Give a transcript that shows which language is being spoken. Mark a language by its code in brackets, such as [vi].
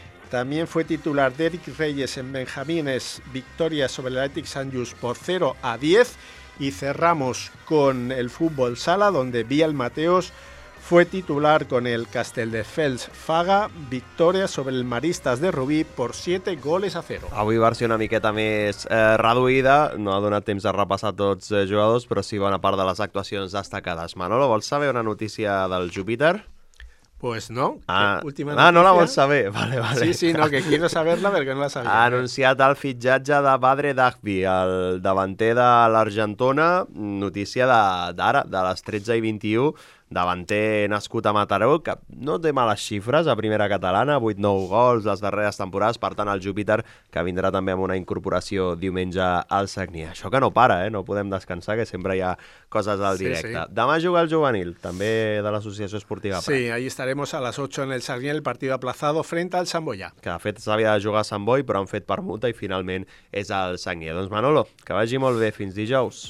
[es] También fue titular Derek Reyes en Benjamines, victoria sobre el Athletic Sant Just por 0-10. Y cerramos con el fútbol sala, donde Biel Mateos fue titular con el Castelldefels Faga, victoria sobre el Maristas de Rubí por 7-0. [ca] Avui versió una miqueta més reduïda, no ha donat temps de repassar tots els jugadors, però sí bona part de les actuacions destacades. Manolo, vols saber una notícia del Júpiter? [es] Pues no. [ca] No la vols saber. Vale, vale. [es] Sí, sí, no, que quiero saberla [ca] perquè no la sabia. Ha anunciat el fitxatge de Badre Dagbi, el davanter de l'Argentona. Notícia d'ara, de les 13:21. Davanter nascut a Mataró, que no té males xifres a primera catalana, 8-9 gols les darreres temporades. Per tant, el Júpiter, que vindrà també amb una incorporació diumenge al Sagnia. Això que no para, no podem descansar, que sempre hi ha coses al directe. Sí, sí. Demà juga el juvenil, també de l'Associació Esportiva Prat. [es] Sí, ahí estaremos a las 8 en el Sagnia, el partido aplazado frente al Sant Boià. [ca] Que de fet s'havia de jugar a Sant Boi, però han fet permuta i finalment és al Sagnia. Doncs Manolo, que vagi molt bé. Fins dijous.